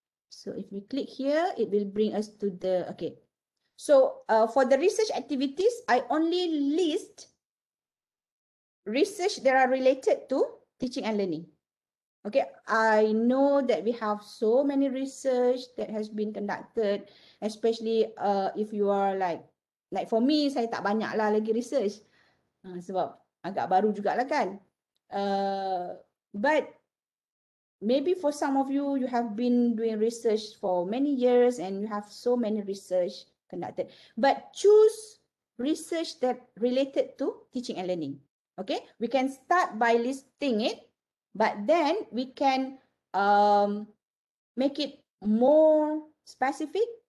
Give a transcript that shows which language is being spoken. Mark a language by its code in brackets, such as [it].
[en] So if we click here, it will bring us to the, okay. So for the research activities, I only list research that are related to teaching and learning. Okay, I know that we have so many research that has been conducted, especially if you are like for me, saya tak banyak lah lagi research. [ms] Sebab agak baru jugalah kan. [en] But maybe for some of you, you have been doing research for many years and you have so many research conducted. But choose research that related to teaching and learning. Okay, we can start by listing it, but then we can make it more specific.